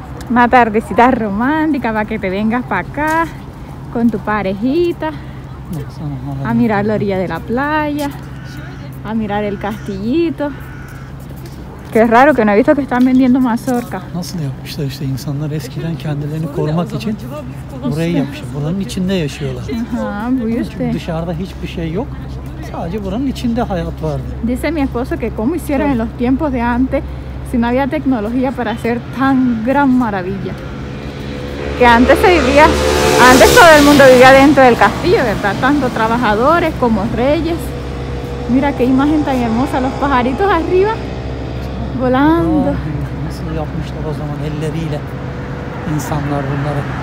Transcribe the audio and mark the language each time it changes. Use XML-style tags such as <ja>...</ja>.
<es>Una tardecita romántica para que te vengas para acá con tu parejita a mirar la orilla de la playa, a mirar el castillito. Qué raro que no he visto que están vendiendo mazorca.</es> <tr>Nasıl yapmışlar işte insanlar eskiden kendilerini korumak için burayı yapmışlar. Buranın içinde yaşıyorlar. Aha, bu yüzden. Çünkü dışarıda hiçbir şey yok. Sadece buranın içinde hayat vardı.</tr> <es>Dice mi esposo que cómo hicieron en los tiempos de antes si no había tecnología para hacer tan gran maravilla. Que antes se vivía, antes todo el mundo vivía dentro del castillo, ¿verdad? Tanto trabajadores como reyes. Mira qué imagen tan hermosa, los pajaritos arriba. Volando.</es> <tr>Nasıl yapmışlar o zaman elleriyle insanlar bunları.</tr>